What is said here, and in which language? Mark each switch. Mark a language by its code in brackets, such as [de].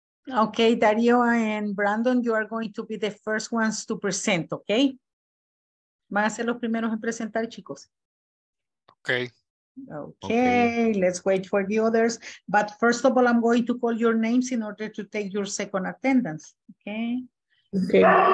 [en] Okay, Dario and Brandon, you are going to be the first ones to present, okay? [es] Van a ser los primeros en presentar, chicos. Okay. [en] Okay, let's wait for the others. But first of all, I'm going to call your names in order to take your second attendance, okay? Okay.